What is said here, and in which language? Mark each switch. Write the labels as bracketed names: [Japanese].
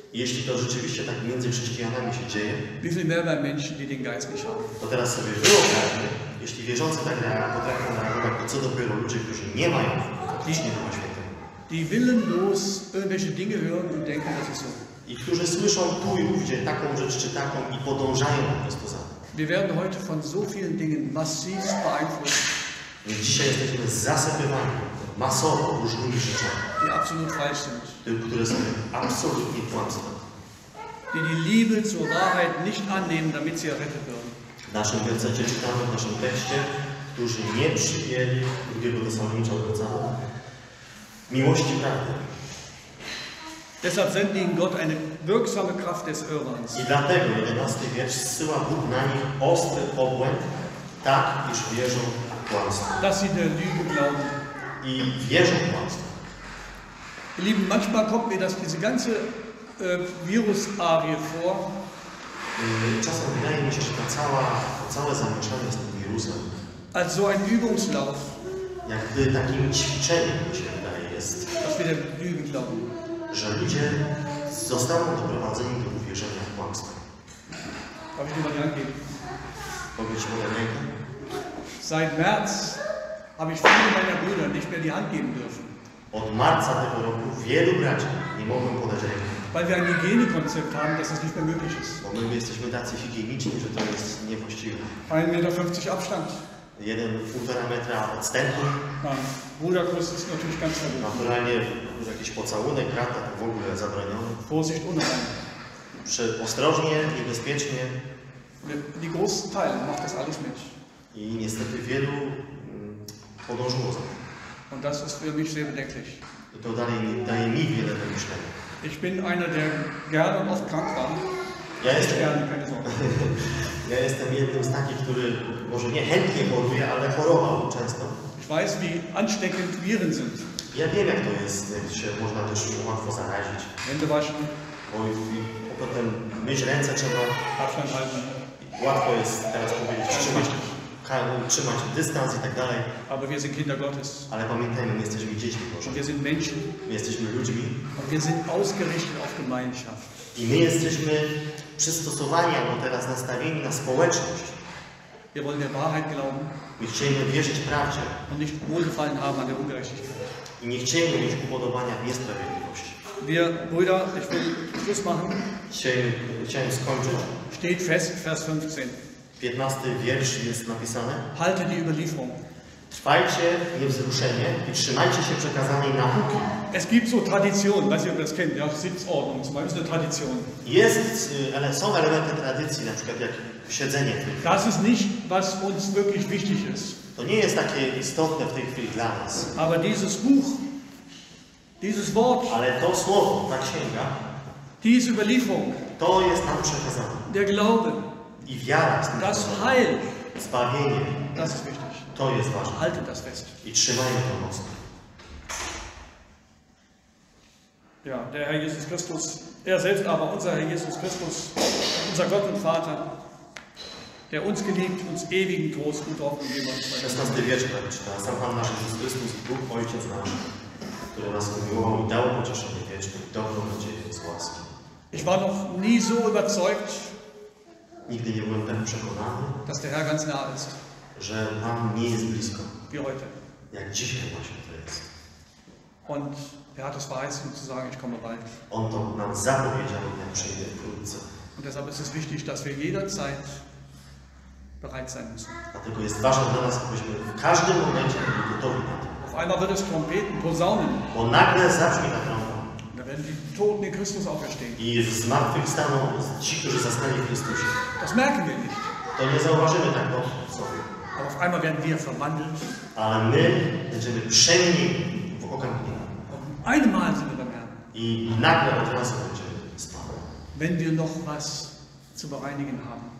[Polish] Jeśli to rzeczywiście tak między chrześcijanami się dzieje, [German] wie viel mehr bei Menschen, die den Geist nicht haben. [Polish] To teraz sobie wyobraźmy, jeśli wierzący tak potrafią reagować, to co dopiero ludzie, którzy nie mają faktycznie Ducha Świętego. [German] Die willenlos irgendwelche Dinge hören und denken, das ist so. [Polish] I którzy słyszą tu i ówdzie taką rzecz czy taką i podążają po prostu za tym. [German] Wir werden heute von so vielen Dingen massiv beeinflusst. [Polish] My dzisiaj jesteśmy zasypywani masowo różnymi rzeczami. [German] Die absolut falsch sind. [Polish] Które są absolutnie kłamstwem. [German] Die Liebe zur Wahrheit nicht annehmen, damit sie errettet werden. [Polish] W naszym wersecie czytamy, w naszym tekście, którzy nie przyjęli drugiego zasadnicza obrazu miłości prawdy. [German] Deshalb sendet ihnen Gott eine wirksame Kraft des Irrwahns. [Polish] I dlatego 11 wiersz zsyła Bóg na nich ostry obłęd, tak, iż wierzą kłamstwo. [German] Dass sie der Lüge glauben. [Polish] I wierzą kłamstwo. [German] Lieben, manchmal kommt mir das diese ganze Virus-Arie vor. [Polish] Czasem wydaje mi się, że całe zamieszanie z tym wirusem. [German] Als so ein Übungslauf. [Polish] Jakby takim ćwiczeniem mi się wydaje jest. [German] Dass wir der Lüge glauben. [Polish] Że ludzie zostaną doprowadzeni do uwierzenia w kłamstwo. Powiedz mi mal rękę. Powiedz mi mal rękę. [German] Seit März habe ich viele meiner Brüder nicht mehr die Hand geben dürfen. [Polish] Od marca tego roku wielu braci nie mogłem podać ręki. [German] Weil wir ein Hygienekonzept haben, dass das nicht mehr möglich ist. [Polish] Bo my jesteśmy tacy higieniczni, że to jest niewłaściwe. [German] 1,50 Meter Abstand. [Polish] 1,5 Meter odstępu. [German] Nein, Bruderkuss ist natürlich ganz verboten. [Polish] Naturalnie jakiś pocałunek brata to w ogóle zabroniony. [German] Vorsicht unheim. [Polish] Ostrożnie, niebezpiecznie. [German] Die großen Teile macht das alles mit. [Polish] I niestety wielu podążyło za. [German] Und das ist für mich sehr bedenklich. [Polish] To daje mi wiele do myślenia. [German] Ich bin einer, der gerne oft krank war. Ja jestem, gerne, keine Sorge. [Polish] Ja jestem jednym z takich, który może nie chętnie choruje, ale chorował często. [German] Ich weiß, wie ansteckend Viren sind. [Polish] Ja wiem, jak to jest, jak się można też łatwo zarazić. [German] Hände waschen. [Polish] Bo potem myć ręce trzeba. [German] Abstand halten. [Polish] Łatwo jest teraz powiedzieć, trzymać dystans i tak dalej. [German] Aber wir sind Kinder Gottes. [Polish] Ale pamiętajmy, my jesteśmy dziećmi Bożymi. [German] Wir sind Menschen. [Polish] My jesteśmy ludźmi. [German] Und wir sind ausgerichtet auf Gemeinschaft. [Polish] I my jesteśmy przystosowani, albo teraz nastawieni na społeczność. [German] Wir wollen der Wahrheit glauben. [Polish] My chcemy wierzyć prawdzie. [German] Und nicht wohlgefallen haben an der Ungerechtigkeit. [Polish] I nie chcemy mieć upodobania w niesprawiedliwości. [German] Wir Brüder, ich will Schluss machen. [Polish] Chciałem skończyć. [German] Steht fest, Vers 15. [Polish] 15 wiersz jest napisane. [German] Halte die Überlieferung. [Polish] Trwajcie niewzruszenie i trzymajcie się przekazanej nauki. [German] Es gibt so Tradition, weiß ich, ob ihr das kennt, ja, Sitzordnung, zum Beispiel, Tradition. [Polish] Jest, ale są elementy tradycji, na przykład jak siedzenie. [German] Das ist nicht, was uns wirklich wichtig ist. [Polish] To nie jest takie istotne w tej chwili dla nas. [German] Aber dieses Buch, dieses Wort, [Polish] ale to słowo, ta księga, [German] diese Überlieferung, [Polish] to jest nam przekazane. [German] Der Glaube. [Polish] I wiara z tym [German] das Heil, [Polish] zbawienie, [German] das ist wichtig. [Polish] To jest ważne. [German] Halte das fest. [Polish] I trzymajmy to mocno. [German] Ja, der Herr Jesus Christus, er selbst aber, unser Herr Jesus Christus, unser Gott und Vater, der uns geliebt, uns ewigen Trost und Hoffnung gegeben hat. [Polish] 16. Wiersz, czyta. Sam Pan nasz Jezus Chrystus, Bóg Ojciec nasz, który nas umiłował i dał pocieszenie wieczne, dobrą nadzieję z łaski. [German] Ich war noch nie so überzeugt, [Polish] nigdy nie byłem tak przekonany, [German] dass der Herr ganz nah ist. [Polish] Że Pan nie jest blisko. [German] Wie heute. [Polish] Jak dzisiaj właśnie to jest. [German] Und er hat es verheißen zu sagen, ich komme bald. [Polish] On to nam zapowiedział, ja przyjdę wkrótce. [German] Und deshalb ist es wichtig, dass wir jederzeit bereit sein müssen. [Polish] Dlatego jest ważne dla nas, abyśmy w każdym momencie byli gotowi na to. [German] Auf einmal wird es Trompeten, Posaunen. [Polish] Bo nagle zabrzmi na trąbę. [German] Wenn die Toten in Christus auferstehen. [Polish] I zmartwychwstaną ci, którzy zostali w Chrystusie. [German] Das merken wir nicht. [Polish] To nie zauważymy tak dobrze. [German] Aber auf einmal werden wir verwandelt. [Polish] Ale my będziemy przemienieni w okamgnienia. [German] Einmal sind wir beim Herrn. [Polish] I nagle od razu będziemy z Panem. [German] Wenn wir noch was zu bereinigen haben.